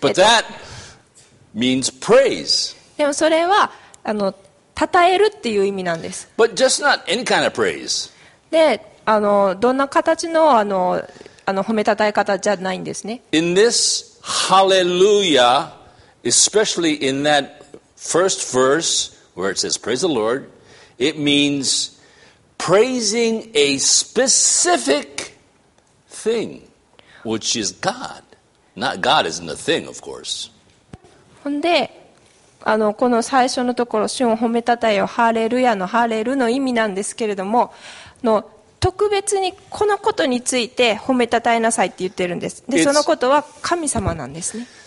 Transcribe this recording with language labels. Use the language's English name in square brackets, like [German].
[English] But that means praise. [Japanese] でもそれは、たたえるっていう意味なんです。 [English] But just not any kind of praise. [Japanese] で、どんな形の、褒めたたえ方じゃないんですね。 [English] In this hallelujah, especially in that first verse where it says praise the Lord, it means praising a specific thing, which is God. Not God isn't a thing, of course. [Japanese] ほんで、この最初のところ、主を褒めたたえよ、ハレルヤのハレルの意味なんですけれども、特別にこのことについて褒めたたえなさいって言ってるんです。で、そのことは神様なんですね。